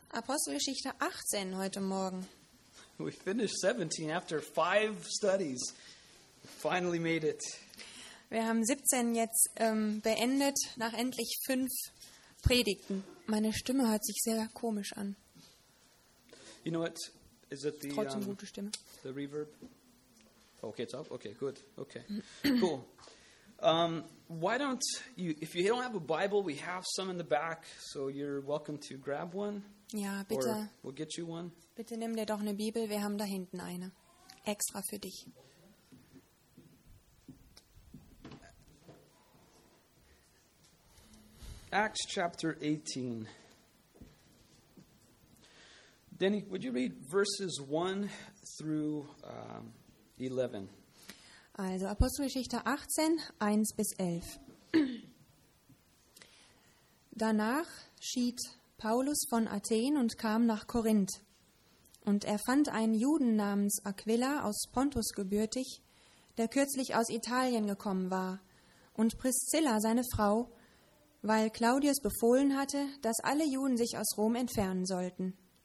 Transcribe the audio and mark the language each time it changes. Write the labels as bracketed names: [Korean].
[German] Apostelgeschichte 18 heute Morgen. [English] We finished 17 after 5 studies. Finally made it. [German] Wir haben 17 jetzt beendet, nach endlich 5 Predigten. Meine Stimme hört sich sehr komisch an. [English] You know what? Is it the, [German] trotzdem gute Stimme. [English] The reverb? Okay, it's up? Okay, good. Okay, cool. Why don't you, if you don't have a Bible, we have some in the back, so you're welcome to grab one. [German] Ja, bitte. [English] Or we'll get you one. [German] Bitte nimm dir doch eine Bibel, wir haben da hinten eine. Extra für dich. [English] Acts chapter 18. Danny, would you read verses 1 through 11? [German] Also Apostelgeschichte 18, 1 bis 11. Danach schied Paulus von Athen und kam nach Korinth. Und er fand einen Juden namens Aquila aus Pontus gebürtig, der kürzlich aus Italien gekommen war, und Priscilla, seine Frau, weil Claudius befohlen hatte, dass alle Juden sich aus Rom entfernen sollten.